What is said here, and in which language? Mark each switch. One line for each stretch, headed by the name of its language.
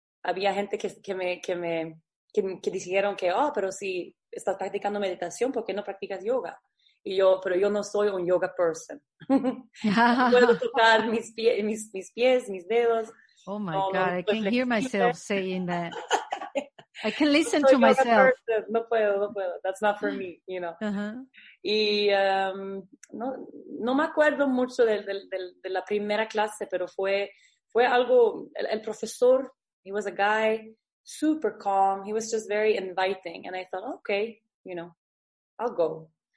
Spanish: había gente que dijeron que, oh, pero si estás practicando meditación, ¿por qué no practicas yoga? Y yo, pero yo no soy un
English: yoga person.
Spanish: No puedo tocar mis pies, mis dedos.
English: Oh my God, I can hear myself saying that. I can listen to myself.
Spanish: No puedo, no puedo.
English: That's not for me, you know. Uh-huh.
Spanish: Y no me acuerdo mucho de la primera clase, pero fue algo, el profesor,
English: he was a guy, super calm. He was just very inviting. And I thought, okay, you know, I'll go.